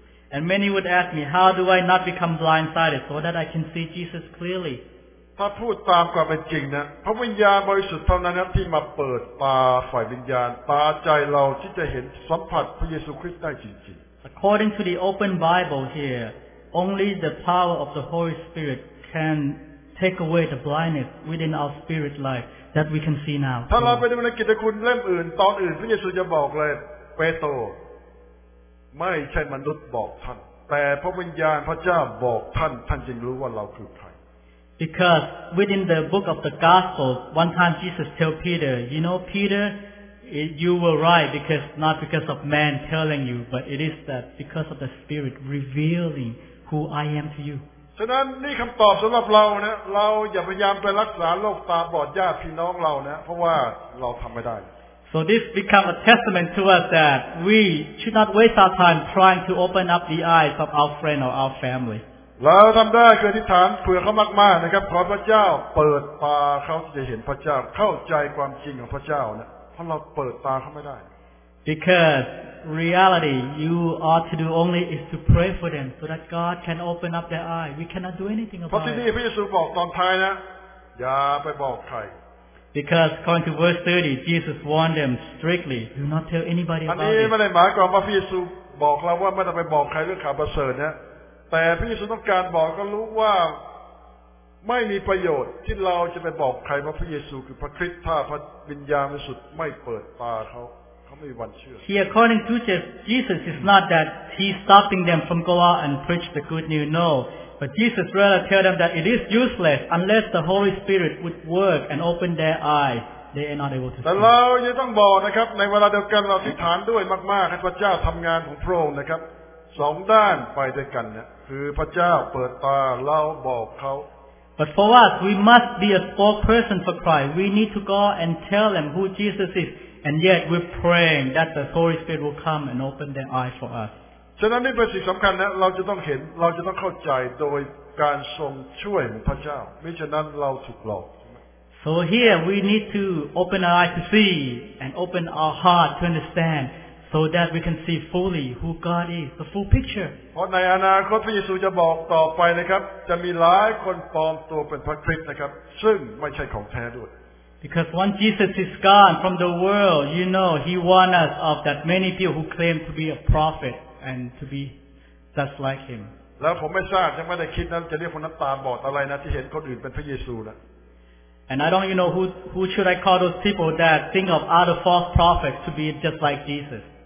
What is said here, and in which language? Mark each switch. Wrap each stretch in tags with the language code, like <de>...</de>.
<en>And many would ask me, how do I not become blindsided so that I can see Jesus clearly?</en> <th>ถ้าพูดตามความเป็นจริงนะพระวิญญาณบริสุทธิ์เท่านั้นที่มาเปิดตาฝ่ายวิญญาณตาใจเราที่จะเห็นสัมผัสพระเยซูคริสต์ได้จริงๆ</th> <en>According to the open Bible here, only the power of the Holy Spirit can take away the blindness within our spirit life that we can see now.</en> <th>ถ้าเราไปดูในกิจคุณเล่มอื่นตอนอื่นพระเยซูจะบอกเลยเปโตรไม่ใช่มนุษย์บอกท่านแต่พระวิญญาณพระเจ้าบอกท่านท่านจึงรู้ว่าเราคือใคร</th> <en>Because within the book of the Gospel, one time Jesus told Peter, you know Peter,You were right because not because of man telling you, but it is that because of the Spirit revealing who I am to you.</en> <th>ฉะนั้นนี่คำตอบสำหรับเรานะเราอย่าพยายามไปรักษาโรคตาบอดญาติพี่น้องเรานะเพราะว่าเราทำไม่ได้</th> <en>So this becomes a testament to us that we should not waste our time trying to open up the eyes of our friend or our family.</en> <th>เราทำได้คืออธิษฐานเผื่อเขามากๆนะครับขอพระเจ้าเปิดตาเขาจะเห็นพระเจ้าเข้าใจความจริงของพระเจ้านะเราเปิดตาเขาไม่ได้</th> <en>Because reality you ought to do only is to pray for them so that God can open up their eyes we cannot do anything about it</en> <th>เพราะที่นี่พระเยซูบอกตอนท้ายนะอย่าไปบอกใคร</th> <en>Because according to verse 30 Jesus warned them strictly do not tell anybody about it</en> <th>อันนี้ไม่ได้หมายความว่าพระเยซูบอกเราว่าไม่ต้องไปบอกใครเรื่องข่าวประเสริฐนะแต่พระเยซูต้องการบอกก็รู้ว่าไม่มีประโยชน์ที่เราจะไปบอกใครว่าพระเยซูคือพระคริสต์ถ้าพระวิญญาณบริสุทธิ์ไม่เปิดตาเขาไม่มีวันเชื่อ</th> <en>He according to Jesus is not that he's stopping them from go out and preach the good news no but Jesus rather tell them that it is useless unless the Holy Spirit would work and open their eyes they are not able to</en> <th>แต่เราจะต้องบอกนะครับในเวลาเดียวกันเราอธิษฐานด้วยมากๆให้พระเจ้าทำงานของพระองค์นะครับสองด้านไปด้วยกันเนี่ยคือพระเจ้าเปิดตาเราบอกเขา</th> <en>But for us, we must be a spokesperson for Christ. We need to go and tell them who Jesus is. And yet, we're praying that the Holy Spirit will come and open their eyes for us.</en> <th>ฉะนั้นนี่เป็นสิ่งสำคัญนะเราจะต้องเห็นเราจะต้องเข้าใจโดยการทรงช่วยพระเจ้าไม่ฉะนั้นเราถูกหลอก</th> <en>So here, we need to open our eyes to see and open our heart to understand so that we can see fully who God is, the full picture.</en> <th>เพราะในอนาคตพระเยซูจะบอกต่อไปนะครับจะมีหลายคนปลอมตัวเป็นพระคริสต์นะครับซึ่งไม่ใช่ของแท้ด้วย</th> <en>Because once Jesus is gone from the world, you know, he warned us of that many people who claim to be a prophet and to be just like him.</en> <th>แล้วผมไม่ทราบยังไม่ได้คิดนั้นจะเรียกคนนั้นตาบอดอะไรนะที่เห็นคนอื่นเป็นพระเยซูนะ</th> <en>And I don't even know who should I call those people that think of other false prophets to be just like Jesus.</en>